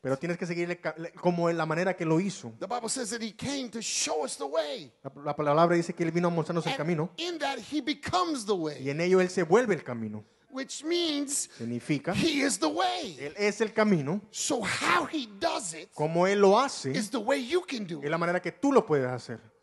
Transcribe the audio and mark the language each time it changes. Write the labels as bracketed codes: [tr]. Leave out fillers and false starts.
[es] Pero tienes que seguirle como la manera que lo hizo. [en] The Bible says that he came to show us the way. [es] La palabra dice que él vino a mostrarnos el camino. [en] In that he becomes the way. [es] Y en ello él se vuelve el camino. [en] Which means [es] significa, [en] he is the way. [es] Él es el camino. [en] So how he does it, [es] como él lo hace, [en] is the way you can do it. [es] Es la manera que tú lo puedes hacer.